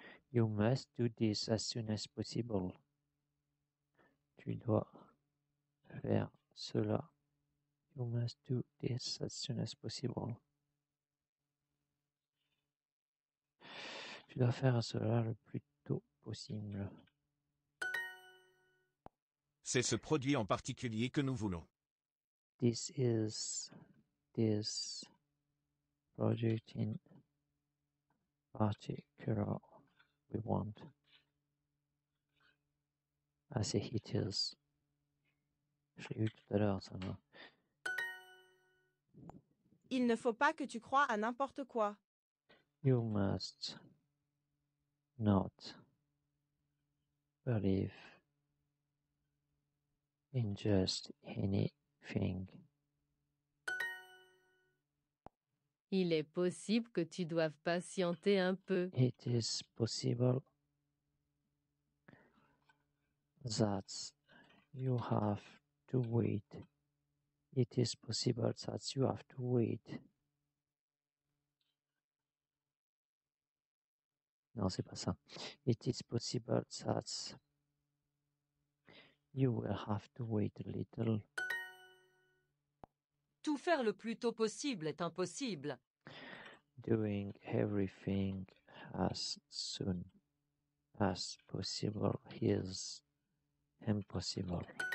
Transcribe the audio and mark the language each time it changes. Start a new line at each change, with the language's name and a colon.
English: You must do this as soon as possible.
French: Tu dois faire cela.
English: You must do this as soon as possible.
French: Tu dois faire cela le plus tôt possible. C'est ce produit en particulier que nous voulons.
English: This is this project in particular we want. I say it is.
French: Je l'ai eu tout à l'heure, ça va. Il ne faut pas que tu croies à n'importe quoi.
English: You must not believe in just anything.
French: Il est possible que tu doives patienter un peu.
English: It is possible that you have to wait. It is possible that you have to wait.
French: Non, c'est pas ça.
English: It is possible that you will have to wait a little.
French: Tout faire le plus tôt possible est impossible.
English: Doing everything as soon as possible is impossible.